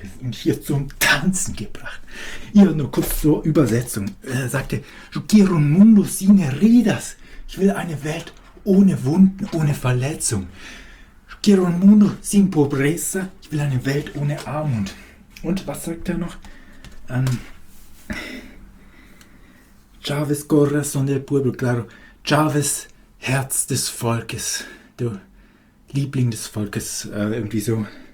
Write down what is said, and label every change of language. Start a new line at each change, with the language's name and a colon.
German: Hier zum Tanzen gebracht. Ja, nur kurz zur Übersetzung. Er sagte,
Spanish: Yo quiero un mundo sin heridas.
German: Ich will eine Welt ohne Wunden, ohne Verletzung.
Spanish: Yo quiero un mundo sin pobreza.
German: Ich will eine Welt ohne Armut. Und was sagt er noch?
Spanish: Chavez Corazón del Pueblo, claro. Chavez
German: Herz des Volkes. Du Liebling des Volkes, irgendwie so.